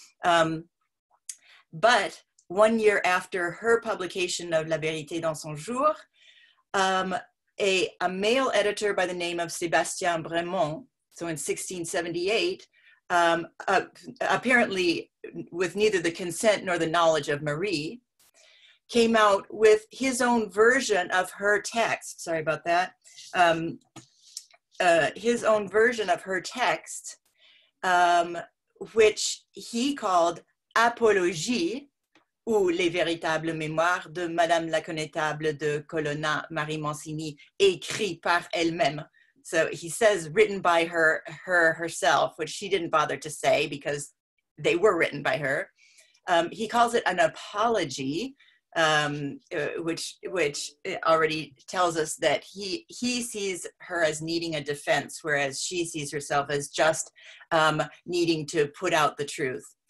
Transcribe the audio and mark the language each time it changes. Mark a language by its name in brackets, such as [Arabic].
[English] But 1 year after her publication of La Vérité dans son jour, a male editor by the name of Sébastien Bremont, so in 1678, apparently with neither the consent nor the knowledge of Marie, came out with his own version of her text. Sorry about that. His own version of her text, which he called Apologie, [French] ou les véritables mémoires de Madame la Connétable de Colonna, Marie Mancini, écrit par elle-même. [English] So he says written by herself, which she didn't bother to say because they were written by her. He calls it an apology, which already tells us that he sees her as needing a defense, whereas she sees herself as just needing to put out the truth.